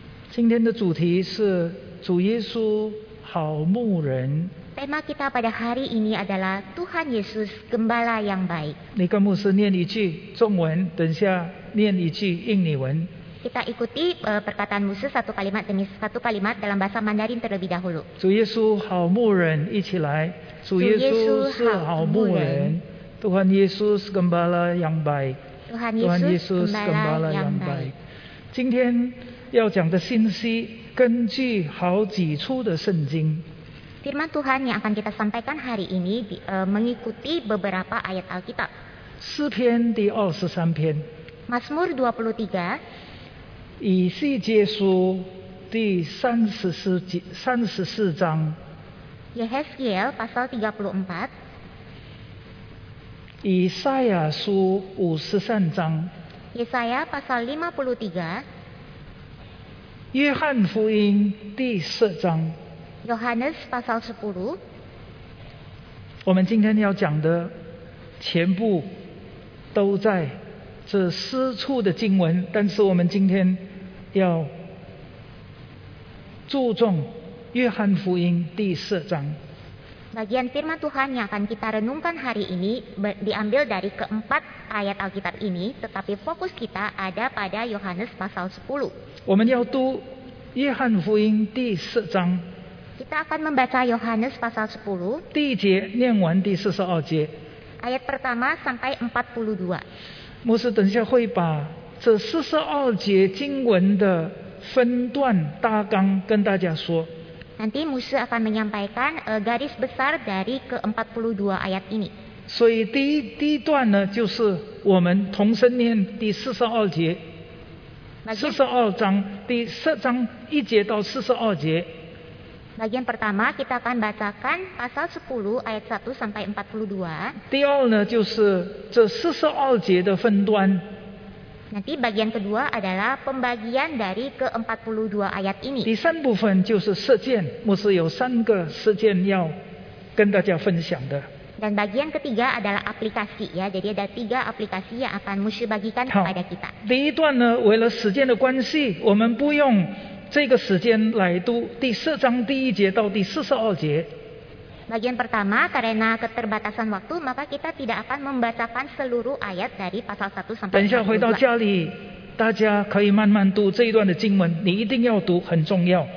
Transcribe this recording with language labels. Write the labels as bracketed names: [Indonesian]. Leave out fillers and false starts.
[Chinese] 今天的主题是主耶稣好牧人。 [Indonesian] Tema kita pada hari ini adalah Tuhan Yesus gembala yang baik。 [Chinese] 你跟牧师念一句中文，等下念一句印尼文。 [Indonesian] Kita ikuti perkataan Musa satu kalimat demi satu kalimat dalam bahasa Mandarin terlebih dahulu。 [Chinese] 主耶稣好牧人，一起来。主耶稣是好牧人。 [Indonesian] Tuhan Yesus gembala yang baik。 Tuhan Yesus gembala yang baik。 [Chinese] 今天要讲的信息根据好几处的圣经。 [Indonesian] Firman Tuhan yang akan kita sampaikan hari ini mengikuti beberapa ayat Alkitab。 [Chinese] 诗篇第二十三篇。 [Indonesian] Mazmur 23。 [Chinese] 以西结书第34章。 [Indonesian] Yehezkiel pasal 34。 [Chinese] 以赛亚书53章。 [Indonesian] Yesaya pasal 53。 [Chinese] 约翰福音第10章。 [Indonesian] Yohanes pasal 10。 [Chinese] 我们今天要讲的全部都在这四处的经文，但是我们今天要注重约翰福音第10章。 [Indonesian] Bagian firman Tuhan yang akan kita renungkan hari ini diambil dari keempat ayat Alkitab ini, tetapi fokus kita ada pada Yohanes pasal 10. [Chinese] 我们要读约翰福音第四章。 [Indonesian] Kita akan membaca Yohanes pasal 10. [Chinese] 第一节念完第42节。 [Indonesian] Ayat pertama sampai 42。 [Chinese] 牧师等一下会把这42节经文的分段大纲跟大家说。 [Indonesian] Nanti Musa akan menyampaikan garis besar dari ke-42 ayat ini. [Chinese] 所以第一段呢，就是我们同声念第42节，42章第10章1节到42节。 [Indonesian] Bagian pertama kita akan bacakan pasal 10 ayat 1 sampai 42。 [Chinese] 第二呢，就是这42节的分段。 [Indonesian] Nanti bagian kedua adalah pembagian dari ke-42 ayat ini. [Chinese] 第三部分就是事件，牧师有三个事件要跟大家分享的。 [Indonesian] Dan bagian ketiga adalah aplikasi ya, jadi ada tiga aplikasi yang akan Musa bagikan kepada kita. [Chinese] 第一段呢，为了时间的关系，我们不用这个时间来读第四章第一节到第42节。 [Indonesian] Bagian pertama, karena keterbatasan waktu, maka kita tidak akan membacakan seluruh ayat dari pasal 1 sampai 42. [Chinese] 等一下回到家里，大家可以慢慢读这一段的经文，你一定要读，很重要。